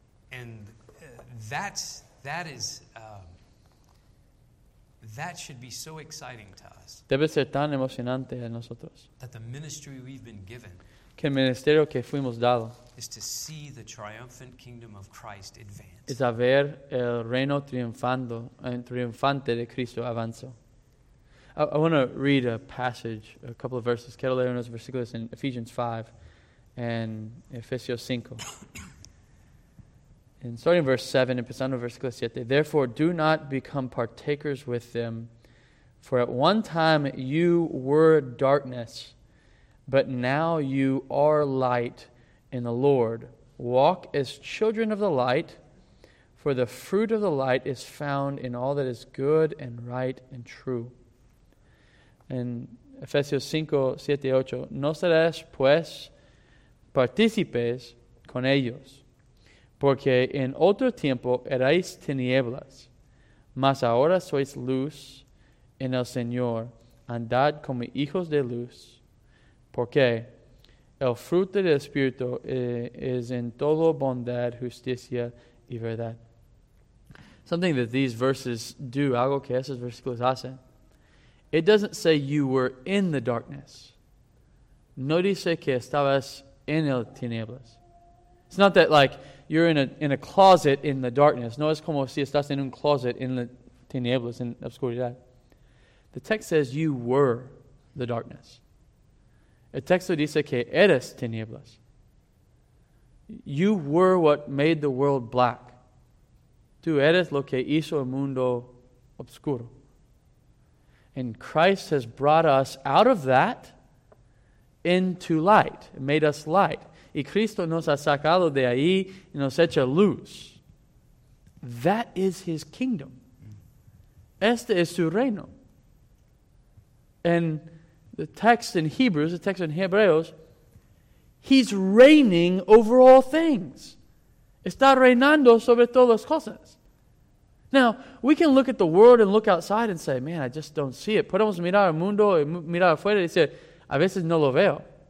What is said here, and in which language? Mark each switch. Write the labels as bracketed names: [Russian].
[English] And that should be so exciting to us. [Spanish] Debe ser tan emocionante a nosotros. [English] That the ministry we've been given. [Spanish] Que el ministerio que fuimos dado. [English] Is to see the triumphant kingdom of Christ advance. [Spanish] Es a ver el reino triunfante de Cristo avanzo. [English] I want to read a passage, a couple of verses, [Spanish] quiero leer unos versículos [English] in Ephesians 5 and Ephesians 5. And starting verse 7, [Spanish] empezando versículo 7, [English] therefore do not become partakers with them, for at one time you were darkness, but now you are light in the Lord. Walk as children of the light, for the fruit of the light is found in all that is good and right and true. [Spanish] En Efesios 5, 7, 8, no serás pues partícipes con ellos, porque en otro tiempo erais tinieblas, mas ahora sois luz en el Señor. Andad como hijos de luz, porque el fruto del Espíritu es en todo bondad, justicia y verdad. [English] Something that these verses do, [Spanish] algo que esos versículos hacen, [English] it doesn't say you were in the darkness. [Spanish] No dice que estabas en el tinieblas. [English] It's not that like you're in a closet in the darkness. [Spanish] No es como si estás en un closet en la tinieblas, en oscuridad. [English] The text says you were the darkness. [Spanish] El texto dice que eres tinieblas. [English] You were what made the world black. [Spanish] Tú eres lo que hizo el mundo oscuro. [English] And Christ has brought us out of that into light, made us light. [Spanish] Y Cristo nos ha sacado de ahí y nos echa luz. [English] That is his kingdom. [Spanish] Este es su reino. [English] And the text in Hebrews, the text in Hebreos, he's reigning over all things. [Spanish] Está reinando sobre todas las cosas. [English] Now, we can look at the world and look outside and say, man, I just don't see it. [Spanish] Podemos mirar al mundo y mirar afuera y decir, a veces no lo veo.